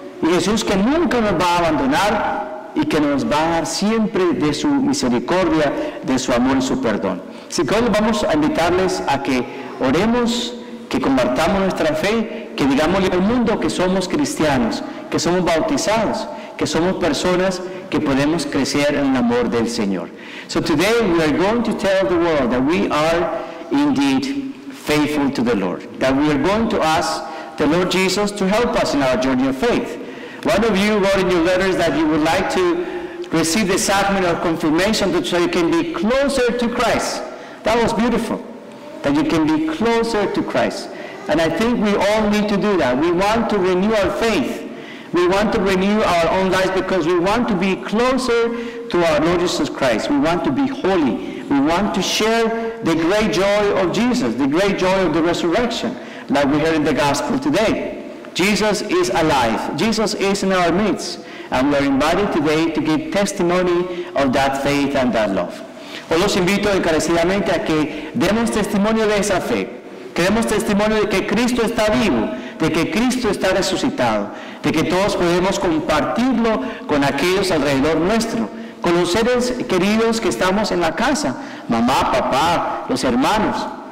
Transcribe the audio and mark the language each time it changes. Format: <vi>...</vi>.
<es>Y Jesús, que nunca nos va a abandonar y que nos va a dar siempre de su misericordia, de su amor y su perdón. Así que hoy vamos a invitarles a que oremos, que compartamos nuestra fe, que digámosle al mundo que somos cristianos, que somos bautizados, que somos personas que podemos crecer en el amor del Señor.</es> <en>So today we are going to tell the world that we are indeed faithful to the Lord, that we are going to ask the Lord Jesus to help us in our journey of faith. One of you wrote in your letters that you would like to receive the sacrament of confirmation so you can be closer to Christ. That was beautiful, that you can be closer to Christ. And I think we all need to do that. We want to renew our faith. We want to renew our own lives because we want to be closer to our Lord Jesus Christ. We want to be holy. We want to share the great joy of Jesus, the great joy of the resurrection, like we heard in the gospel today. Jesus is alive. Jesus is in our midst. And we are invited today to give testimony of that faith and that love.</en> <es>Hoy los invito encarecidamente a que demos testimonio de esa fe. Que demos testimonio de que Cristo está vivo, de que Cristo está resucitado, de que todos podemos compartirlo con aquellos alrededor nuestro, con los seres queridos que estamos en la casa, mamá, papá, los hermanos,</es>